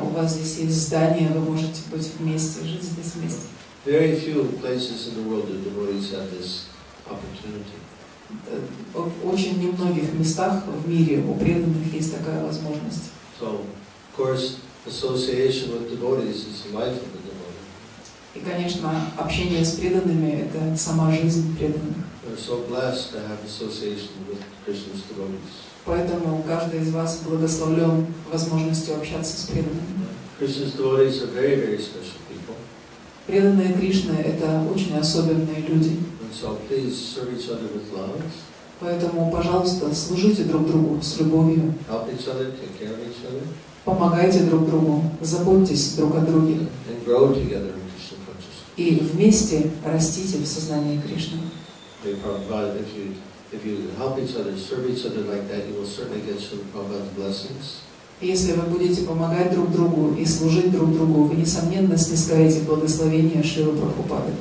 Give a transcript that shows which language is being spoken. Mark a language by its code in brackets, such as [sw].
[ru] У вас здесь есть здание, вы можете быть вместе, жить здесь вместе. [en] Very few places in the world do devotees have this opportunity. [ru] В очень немногих местах в мире у преданных есть такая возможность. [en] So, of course, association with devotees is the life of the devotee. [ru] И, конечно, общение с преданными — это сама жизнь преданных. [en] We're so blessed to have association with Krishna's devotees. [ru] Поэтому каждый из вас благословлен возможностью общаться с преданными. [en] Krishna's devotees are very, very special people. [ru] Преданные Кришны — это очень особенные люди. [en] So please serve each other with love. [ru] Поэтому, пожалуйста, служите друг другу с любовью. [en] Help each other, take care of each other. [ru] Помогайте друг другу, заботьтесь друг о друге. [en] And grow together in Krishna consciousness. [ru] И вместе растите в сознании Кришны. [en] Hey, Prabhupada, if you help each other, serve each other like that, you will certainly get some Prabhupada's blessings. [ru] Если вы будете помогать друг другу и служить друг другу, вы несомненно снискаете благословение Шрилы Прабхупады.